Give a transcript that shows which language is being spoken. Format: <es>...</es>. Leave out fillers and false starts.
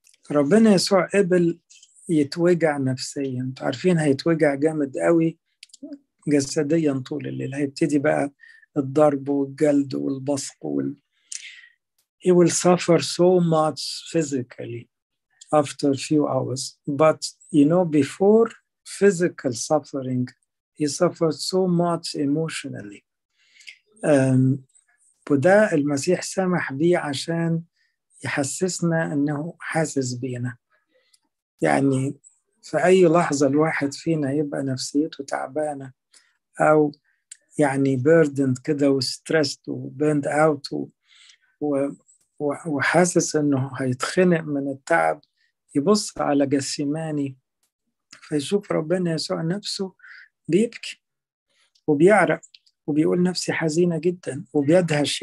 <ar>ربنا يسوع قبل يتوجع نفسيا، عارفين هيتوجع جامد قوي جسديا طول الليل، هيبتدي بقى الضرب والجلد والبصق وال</ar> <en>He will suffer so much physically after a few hours. But, you know, before physical suffering, he suffered so much emotionally.</en> <ar>وده المسيح سمح بيه عشان يحسسنا أنه حاسس بينا. يعني في أي لحظة الواحد فينا يبقى نفسيته تعبانة أو يعني burdened كده وstressed وburned out وحاسس أنه هيتخنق من التعب، يبص على جسيماني فيشوف ربنا يسوع نفسه بيبكي وبيعرق وبيقول نفسي حزينة جدا وبيدهش.</ar>